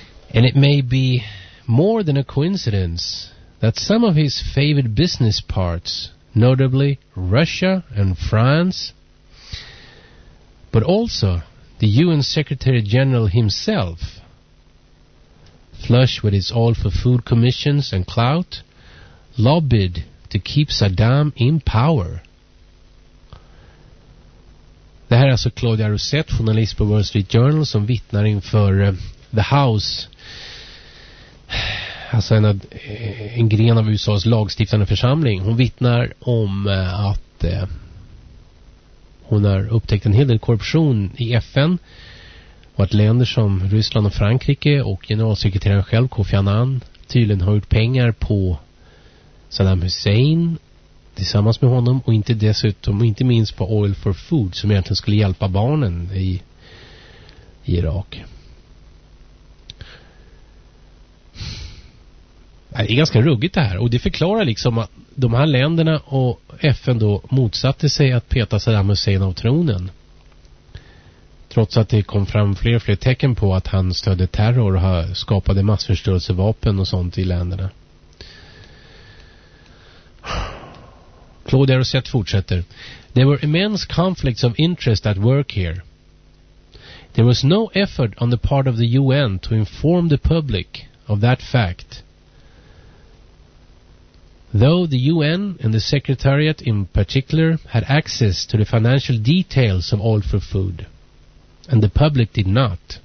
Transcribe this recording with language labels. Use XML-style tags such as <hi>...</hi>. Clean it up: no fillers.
<en>And it may be more than a coincidence that some of his favored business parts, notably Russia and France, but also the UN Secretary General himself, flush with his Oil for Food commissions and clout, lobbied to keep Saddam in power.</en> <sv>Det här är alltså Claudia Rosett, journalist på Wall Street Journal, som vittnar inför The House, alltså en gren av USAs lagstiftande församling. Hon vittnar om att hon har upptäckt en hel del korruption i FN och att länder som Ryssland och Frankrike och generalsekreteraren själv, Kofi Annan, tydligen har gjort pengar på Saddam Hussein tillsammans med honom och inte dessutom, inte minst på Oil for Food som egentligen skulle hjälpa barnen i Irak. Det är ganska ruggigt det här, och det förklarar liksom att de här länderna och FN då motsatte sig att peta Saddam Hussein av tronen. Trots att det kom fram fler och fler tecken på att han stödde terror och skapade massförstörelsevapen och sånt i länderna. Claude Rosette fortsätter.</sv> <en>There were immense conflicts of interest at work here. There was no effort on the part of the UN to inform the public of that fact. Though the UN and the Secretariat in particular had access to the financial details of Oil for Food, and the public did not.</en>